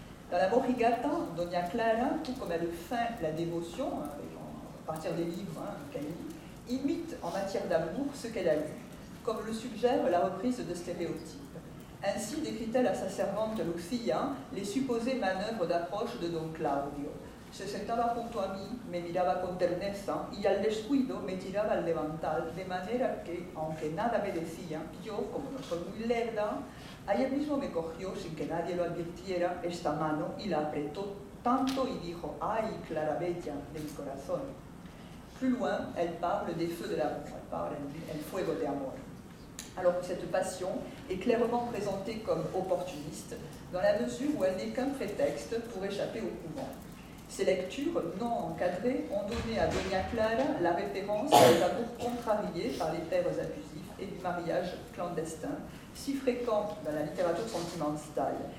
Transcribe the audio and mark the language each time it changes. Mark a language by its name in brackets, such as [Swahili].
[French] Dans la Morrigata, Doña Clara, tout comme elle feint la dévotion, à partir des livres qu'elle lit, imite en matière d'amour ce qu'elle a lu, comme le suggère la reprise de stéréotypes. Ainsi décrit-elle à sa servante Lucia les supposées manœuvres d'approche de Don Claudio. [Spanish] Se sentaba junto a mí, me miraba con terneza, y al descuido me tiraba al levantal, de manera que, aunque nada me decía, yo, como no soy muy lerda, ayer mismo me cogió, sin que nadie lo advirtiera, esta mano, y la apretó tanto y dijo, ¡ay, Clara Bella, de mi corazón! [French] Plus loin, elle parle des feux de l'amour, elle parle [Spanish] del fuego de amor. [French] Alors que cette passion est clairement présentée comme opportuniste, dans la mesure où elle n'est qu'un prétexte pour échapper au couvent. Ces lectures, non encadrées, ont donné à Doña Clara la référence de l'amour contrarié par les pères abusifs et du mariage clandestin, si fréquent dans la littérature sentimentale.